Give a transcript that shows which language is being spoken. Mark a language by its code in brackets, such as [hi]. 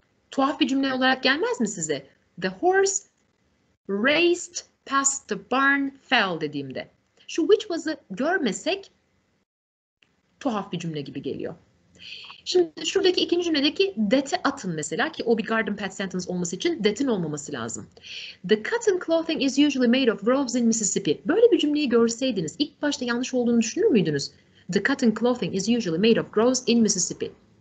[tr] Tuhaf bir cümle olarak gelmez mi size? [en] The horse raced past the barn, fell [tr] dediğimde. Şu which was'ı görmesek, tuhaf bir cümle gibi geliyor. Şimdi şuradaki ikinci cümledeki that'i atın mesela, ki o bir garden path sentence olması için that'in olmaması lazım. [en] The cotton clothing is usually made of groves in Mississippi. [tr] Böyle bir cümleyi görseydiniz ilk başta yanlış olduğunu düşünür müydünüz? [en] The cotton clothing is usually made of groves in Mississippi.